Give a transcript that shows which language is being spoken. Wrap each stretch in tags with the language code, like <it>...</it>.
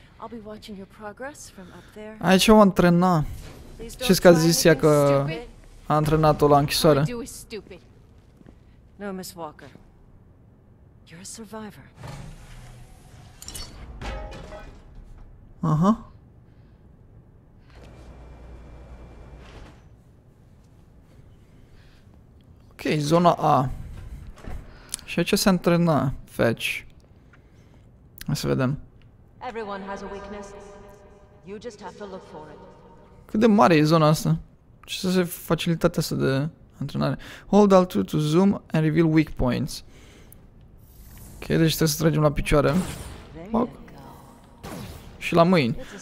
<en>I'll be watching your progress from up there.</en> <ro>Aici o antrena. Ce s-a zis ea că a antrenat-o la închisoare?</ro> <en>No, Miss Walker. You're a survivor. Aha.</en> <ro>Ok, zona A. Și aici se antrena. Fetch. Să vedem.</ro> <en>Everyone has a weakness. You just have to look for it.</en> <ro>Cât de mare e zona asta? Ce să se facilitatea asta de antrenare?</ro> <en>Hold Alt to zoom and reveal weak points.</en> <ro>Ok, deci trebuie să tragem la picioare. Oh. Și la mâini.</ro>